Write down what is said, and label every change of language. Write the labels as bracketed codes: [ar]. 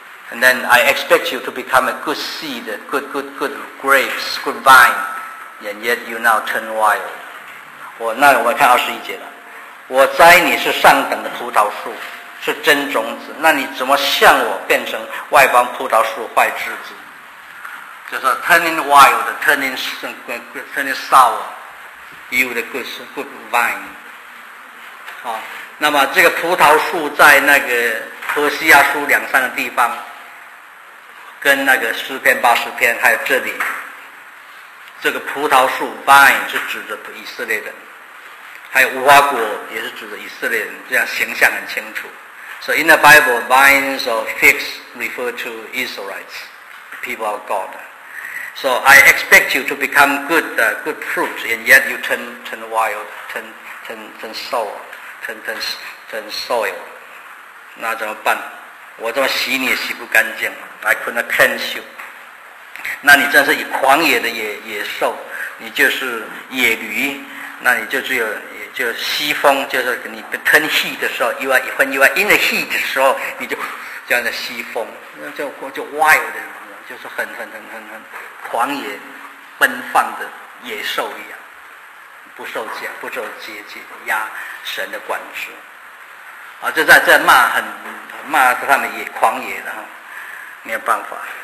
[en] And then I expect you to become a good seed, good grapes, good vine. And yet you now turn wild. [zh] 那我们看二十一节了。我栽你是上等的葡萄树，是真种子，那你怎么像我变成外邦葡萄树坏枝子？就是 [en] turning wild, turning sour, you the good vine。 [zh] 好，那么这个葡萄树在那个何西亚书两三个地方，跟那个诗篇八十篇，还有这里，这个葡萄树 vine 是指着以色列人，还有无花果也是指着以色列人，这样形象很清楚。 [en] So in the Bible, vines or figs refer to Israelites, people of God. So I expect you to become good fruit, and yet you turn wild, turn sour, turn soil. [zh] 那怎么办？我这么洗你也洗不干净。 [en] I could not cleanse you. [zh] 那你真是以狂野的野兽，你就是野驴，那你就只有。就西风，就是你 [en] turn heat [zh] 的时候，因为 [en] when you are in the heat [zh] 的时候，你就这样的西风，那就 wild 的，就是很狂野、奔放的野兽一样，不受节压神的管制，啊，就在骂骂他们也狂野的哈，没有办法。